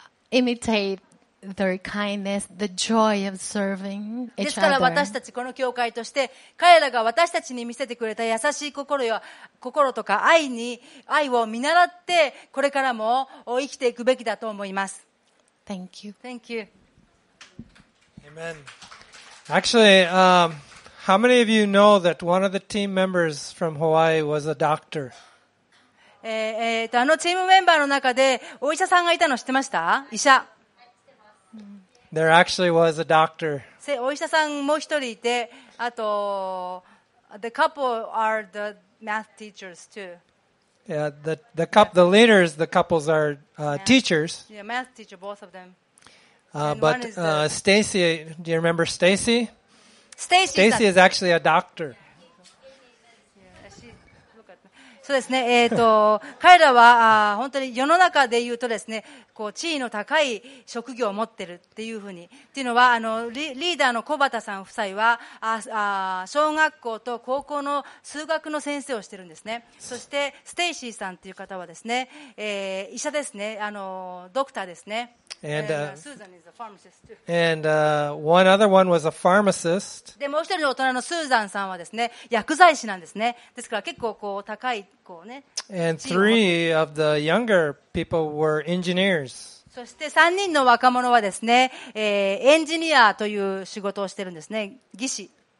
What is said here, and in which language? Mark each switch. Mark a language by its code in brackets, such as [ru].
[en] Imitate their kindness, the joy of serving each other. [ja] ですから私たちこの教会として彼らが私たちに見せてくれた優しい心とか愛を見習ってこれからも生きていくべきだと思います。 [en] Thank you. Thank you. Amen. Actually, how many of you know that one of the team members from Hawaii was a doctor? [ja] あのチームメンバーの中でお医者さんがいたの知ってました？医者。 [en] There actually was a doctor. [ja] お医者さんもう一人いて、あと [en] the couple are the math teachers too. Yeah, the couple, the leaders, the couples are teachers. Yeah, math teacher, both of them. But Stacy, do you remember Stacy? Stacy is actually a doctor. [ja] そうですね。彼らは本当に世の中で言うとですね、こう地位の高い職業を持ってるっていうふうに、っていうのはリーダーの小畑さん夫妻は小学校と高校の数学の先生をしてるんですね。そしてステイシーさんっていう方はですね、医者ですね、ドクターですね。 [en] And Susan is a pharmacist too. And one other one was a pharmacist. [ja] でもう一人の大人のスーザンさんはですね、薬剤師なんですね。ですから結構こう高いこうね。 [en] And three of the younger people were engineers. [ja] そして3人の若者はですね、エンジニアという仕事をしてるんですね、技師。